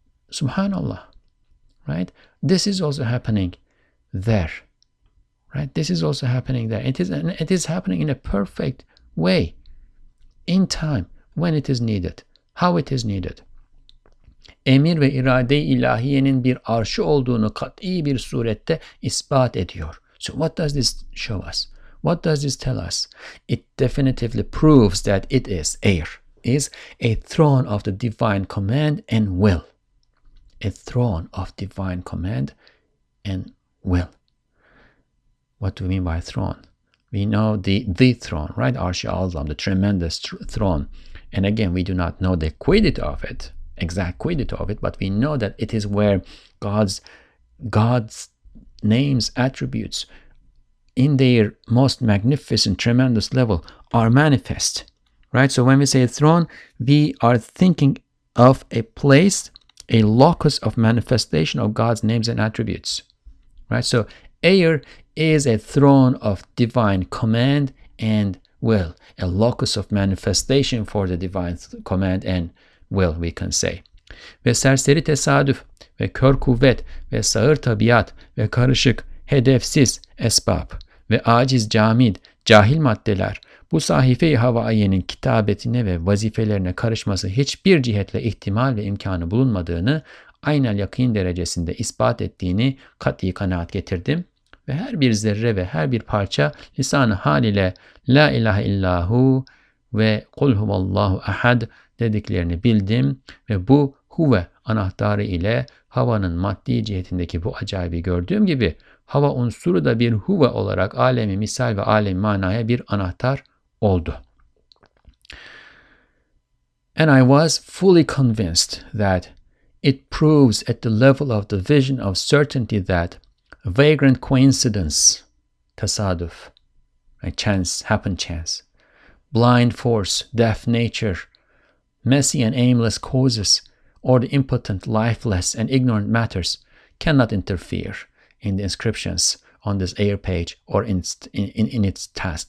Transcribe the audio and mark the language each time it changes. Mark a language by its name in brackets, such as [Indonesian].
[English] Subhanallah, right? This is also happening there, right? This is also happening there. It is happening in a perfect way, in time, when it is needed, how it is needed. [Turkish] Emir ve irade-i ilahiyenin bir arşı olduğunu kat'i bir surette ispat ediyor. [English] So what does this show us? What does this tell us? It definitively proves that it is air, is a throne of the divine command and will. A throne of divine command and will. What do we mean by throne? We know the throne, right? Arşı Azam, the tremendous throne. And again, we do not know the quiddit of it, exact quiddity of it, but we know that it is where God's names, attributes, in their most magnificent, tremendous level, are manifest, right? So when we say throne, we are thinking of a place, a locus of manifestation of God's names and attributes, right? So air is a throne of divine command and will, a locus of manifestation for the divine command and will, we can say. [Turkish] Ve serseri tesadüf ve kör kuvvet ve sağır tabiat ve karışık hedefsiz esbab ve aciz camid cahil maddeler bu sahife-i havaiyenin kitabetine ve vazifelerine karışması hiçbir cihetle ihtimal ve imkanı bulunmadığını aynel yakın derecesinde ispat ettiğini kat'i kanaat getirdim ve her bir zerre ve her bir parça lisan-ı hal ile [Arabic] la ilahe illahu [Turkish] ve [Arabic] kul huvallahu ahad [Turkish] dediklerini bildim ve bu huve anahtarı ile havanın maddi cihetindeki bu acayibi gördüğüm gibi hava unsuru da bir huve olarak alemi misal ve alemi manaya bir anahtar oldu. [English] And I was fully convinced that it proves at the level of the vision of certainty that vagrant coincidence, tasadüf, right, chance, happen chance, blind force, deaf nature, messy and aimless causes, or the impotent, lifeless, and ignorant matters cannot interfere in the inscriptions on this air page or in its task.